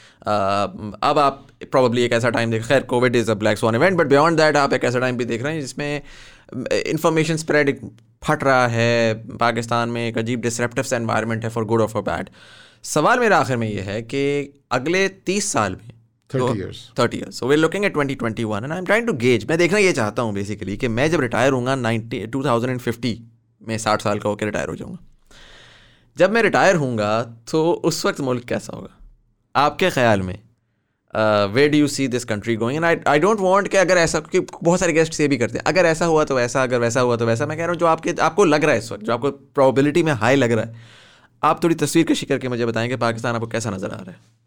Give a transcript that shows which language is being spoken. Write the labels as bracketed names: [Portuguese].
[Urdu] اب آپ پروبلی ایک ایسا ٹائم دیکھ, خیر Covid is a black Swan event, but beyond that آپ ایک ایسا ٹائم بھی دیکھ رہے ہیں جس میں انفارمیشن اسپریڈ پھٹ رہا ہے, پاکستان میں ایک عجیب ڈسرپٹیو انوائرمنٹ ہے فار گڈ اور فار بیڈ. سوال میرا آخر میں یہ ہے کہ اگلے 30 سال میں, [English] 30 years. So we're looking at 2021 and I'm trying to gauge. [Urdu] میں دیکھنا یہ چاہتا ہوں بیسیکلی کہ میں جب ریٹائر ہوں گا 2050 میں, 60 سال کا ہو کے ریٹائر ہو جاؤں گا, جب میں ریٹائر ہوں گا تو اس وقت ملک کیسا ہوگا آپ کے خیال میں؟ [English] Where do you see this country going? And I don't want [Urdu] کہ اگر ایسا, کیونکہ بہت سارے گیسٹ یہ بھی کرتے ہیں, اگر ایسا ہوا تو ویسا, اگر ویسا ہوا تو ویسا, میں کہہ رہا ہوں جو آپ کے آپ کو لگ رہا ہے اس وقت, جو آپ کو پروبیبلٹی میں ہائی لگ رہا ہے, آپ تھوڑی تصویر کشی کر کے مجھے بتائیں کہ پاکستان آپ کو کیسا نظر آ رہا ہے.